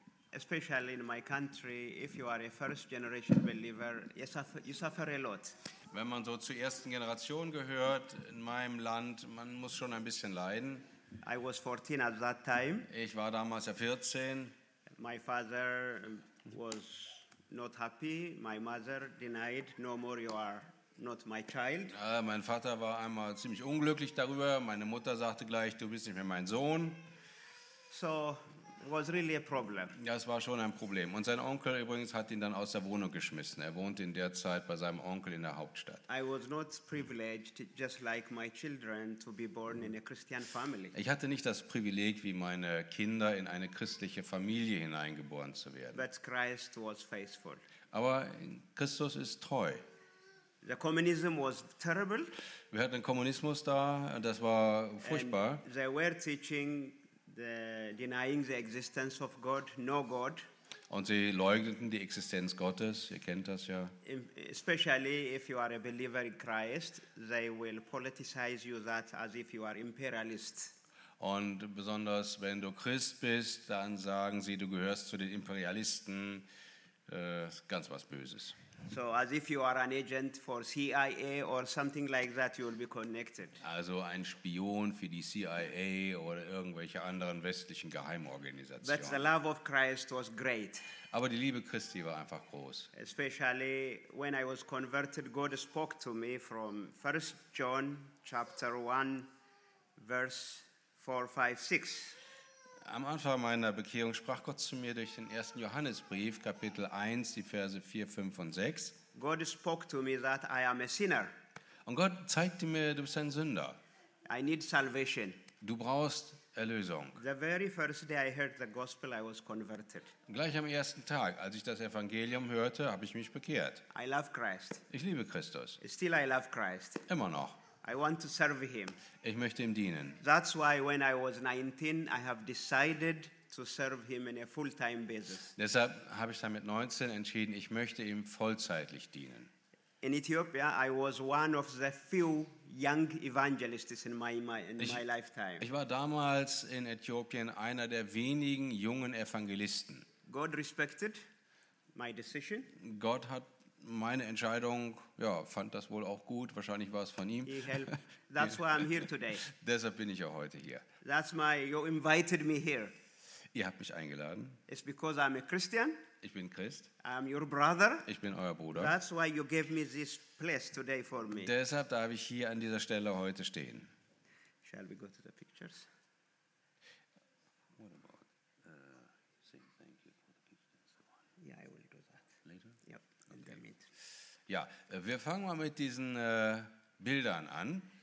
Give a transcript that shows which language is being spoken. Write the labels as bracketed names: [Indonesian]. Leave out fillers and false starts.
[English] Especially in my country, if you are a first generation believer, you suffer a lot. [German] Wenn man so zur ersten Generation gehört in meinem Land, man muss schon ein bisschen leiden. [English] I was 14 at that time. [German] Ich war damals ja 14. [English] My father was not happy. My mother denied, no more you are not my child. [German] Mein Vater war einmal ziemlich unglücklich darüber. Meine Mutter sagte gleich, du bist nicht mehr mein Sohn. [English] So, it was really a problem. [German] Ja, es war schon ein Problem. Und sein Onkel übrigens hat ihn dann aus der Wohnung geschmissen. Er wohnte in der Zeit bei seinem Onkel in der Hauptstadt. [English] I was not privileged, just like my children, to be born in a Christian family. [German] Ich hatte nicht das Privileg, wie meine Kinder in eine christliche Familie hineingeboren zu werden. [English] But Christ was faithful. [German] Aber Christus ist treu. [English] The communism was terrible. [German] Wir hatten Kommunismus da, das war furchtbar. [English] And they were teaching the denying the existence of God, no God. [German] Und sie leugneten die Existenz Gottes, ihr kennt das ja. [English] Especially if you are a believer in Christ, they will politicize you that as if you are imperialist. [German] Und besonders wenn du Christ bist, dann sagen sie, du gehörst zu den Imperialisten, ganz was Böses. [English] So as if you are an agent for CIA or something like that, you will be connected. [German] Also ein Spion für die CIA oder irgendwelche anderen westlichen Geheimorganisationen. [English] But the love of Christ was great. [German] Aber die Liebe Christi war einfach groß. [English] Especially when I was converted, God spoke to me from 1 John chapter 1:4-6. [German] Am Anfang meiner Bekehrung sprach Gott zu mir durch den 1. Johannesbrief, Kapitel 1, die Verse 4, 5 und 6. [English] God spoke to me that I am a sinner. [German] Und Gott zeigte mir, du bist ein Sünder. [English] I need salvation. [German] Du brauchst Erlösung. [English] The very first day I heard the gospel, I was converted. [German] Gleich am ersten Tag, als ich das Evangelium hörte, habe ich mich bekehrt. [English] I love Christ. [German] Ich liebe Christus. [English] Still I love Christ. [German] Immer noch. [English] I want to serve him. [German] Ich möchte ihm dienen. [English] That's why when I was 19, I have decided to serve him in a full-time basis. [German] Deshalb habe ich dann mit 19 entschieden, ich möchte ihm vollzeitlich dienen. [English] In Ethiopia, I was one of the few young evangelists in my lifetime. [German] Ich war damals in Äthiopien einer der wenigen jungen Evangelisten. [English] God respected my decision. [German] Gott hat meine Entscheidung, ja, fand das wohl auch gut. Wahrscheinlich war es von ihm. [English] He helped. That's why I'm here today. [German] Deshalb bin ich auch heute hier. [English] That's why you invited me here. [German] Ihr habt mich eingeladen. [English] It's because I'm a Christian. [German] Ich bin Christ. [English] I'm your brother. [German] Ich bin euer Bruder. [English] That's why you gave me this place today for me. [German] Deshalb darf ich hier an dieser Stelle heute stehen. [English] Shall we go to the pictures? What about saying thank you for the gift and so on? Yeah, I will do that. Later? Yep. [German] Ja, wir fangen mal mit diesen Bildern an.